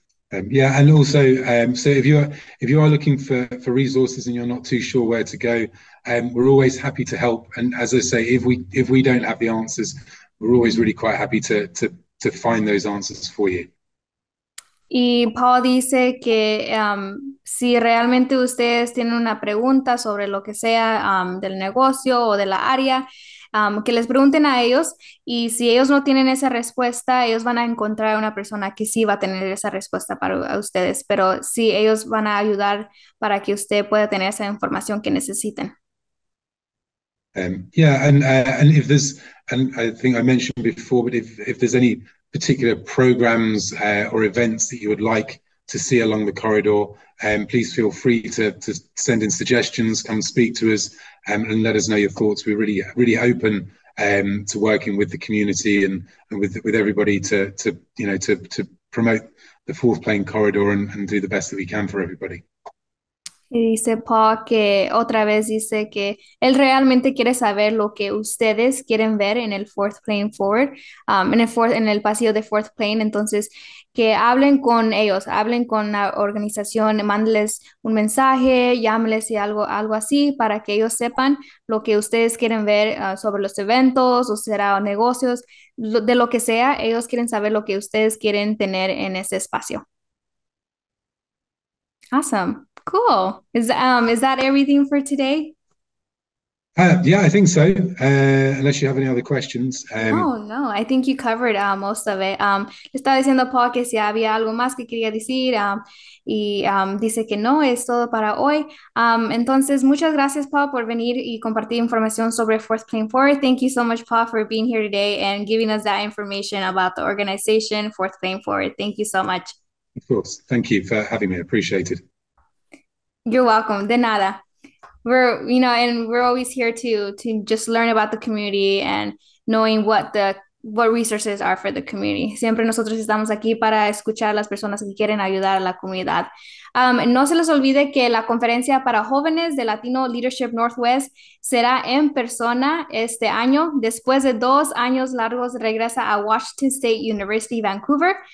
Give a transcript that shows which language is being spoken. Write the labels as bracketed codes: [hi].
[en] And also, so if you are looking for resources and you're not too sure where to go, we're always happy to help. And as I say, if we don't have the answers, we're always really quite happy to find those answers for you. [es] Y Paul dice que si realmente ustedes tienen una pregunta sobre lo que sea del negocio o de la área, que les pregunten a ellos y si ellos no tienen esa respuesta, ellos van a encontrar a una persona que sí va a tener esa respuesta para ustedes, pero sí, ellos van a ayudar para que usted pueda tener esa información que necesiten. [en] And if there's, and I think I mentioned before, but if there's any particular programs or events that you would like to see along the corridor, please feel free to send in suggestions, come speak to us, and let us know your thoughts. We're really, really open to working with the community and with everybody to promote the fourth plane corridor and do the best that we can for everybody. [es] Y dice Paul que otra vez dice que él realmente quiere saber lo que ustedes quieren ver en el fourth plane forward, en el pasillo de fourth plane. Entonces, que hablen con ellos, hablen con la organización, mándeles un mensaje, llámeles y algo así para que ellos sepan lo que ustedes quieren ver sobre los eventos o será negocios, de lo que sea, ellos quieren saber lo que ustedes quieren tener en ese espacio. [en] Awesome. Cool. Is that everything for today? Yeah, I think so. Unless you have any other questions. Oh, no, I think you covered most of it. [es] Estaba diciendo Paul que si había algo más que quería decir y dice que no, es todo para hoy. Entonces, muchas gracias, Paul, por venir y compartir información sobre Fourth Plane Forward. [en] Thank you so much, Paul, for being here today and giving us that information about the organization, Fourth Plane Forward. Thank you so much. Of course. Thank you for having me. I appreciate it. You're welcome. De nada. We're always here to just learn about the community and knowing what resources are for the community. [es] Siempre nosotros estamos aquí para escuchar a las personas que quieren ayudar a la comunidad. No se les olvide que la conferencia para jóvenes de Latino Leadership Northwest será en persona este año. Después de 2 años largos, regresa a Washington State University, Vancouver.